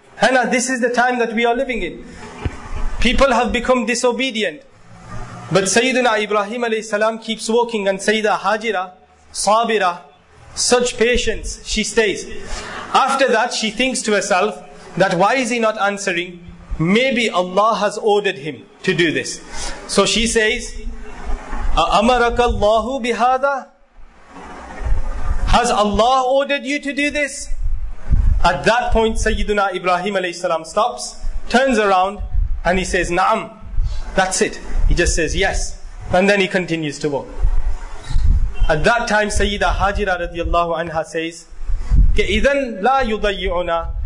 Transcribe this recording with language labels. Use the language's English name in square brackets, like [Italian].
[English] Hannah, this is the time that we are living in. People have become disobedient. But Sayyiduna Ibrahim alayhi salam keeps walking, and Sayyida Hajira, Sabira, such patience, she stays. After that, she thinks to herself that why is he not answering? Maybe Allah has ordered him to do this. So she says, [Arabic] أَمَرَكَ اللَّهُ بِهَذَا? [English] Has Allah ordered you to do this? At that point, Sayyiduna Ibrahim alayhi salam stops, turns around, and he says, Naam. That's it. He just says, yes. And then he continues to walk. At that time, Sayyida Hajira radiallahu anha says, [Arabic] إِذَنْ لَا يُضَيِّعُنَا.